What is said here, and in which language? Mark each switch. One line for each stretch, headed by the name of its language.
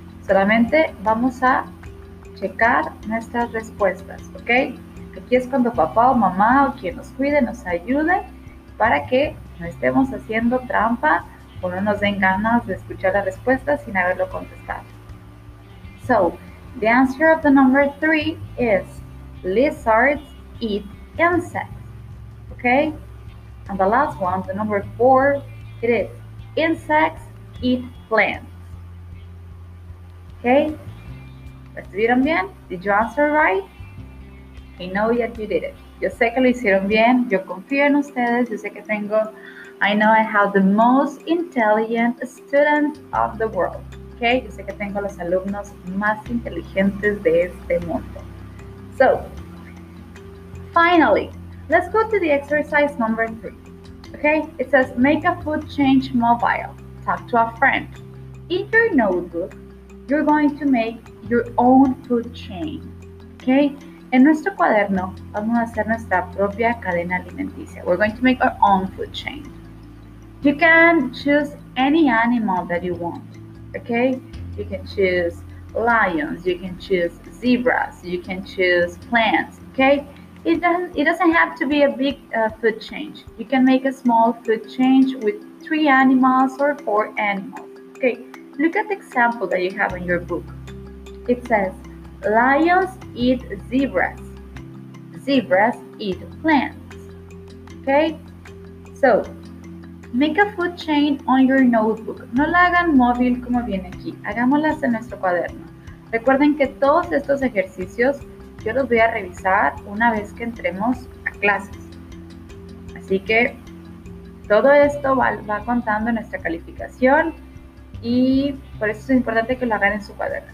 Spanish: Solamente vamos a checar nuestras respuestas, ¿ok? Aquí es cuando papá o mamá o quien nos cuide, nos ayude para que no estemos haciendo trampa o no nos den ganas de escuchar la respuesta sin haberlo contestado.
English: So, the answer of the number three is lizards eat insects. Okay? And the last one, the number four, it is insects eat plants. Okay?
Spanish: ¿Estuvieron bien?
English: Did you answer right? I know that you did it.
Spanish: Yo sé que lo hicieron bien. Yo confío en ustedes. Yo sé que tengo...
English: I know I have the most intelligent student of the world. Okay?
Spanish: Yo sé que tengo los alumnos más inteligentes de este mundo.
English: So, finally, let's go to the exercise number three. Okay? It says, make a food change mobile. Talk to a friend. In your notebook, you're going to make your own food chain. Okay?
Spanish: En nuestro cuaderno, vamos a hacer nuestra propia cadena alimenticia.
English: We're going to make our own food chain. You can choose any animal that you want, okay? You can choose lions, you can choose zebras, you can choose plants, okay? It doesn't have to be a big food change. You can make a small food change with three animals or four animals, okay? Look at the example that you have in your book. It says, lions eat zebras. Zebras eat plants, okay? So, make a food chain on your notebook.
Spanish: No la hagan móvil como viene aquí. Hagámoslas en nuestro cuaderno. Recuerden que todos estos ejercicios yo los voy a revisar una vez que entremos a clases. Así que todo esto va contando nuestra calificación y por eso es importante que lo hagan en su cuaderno.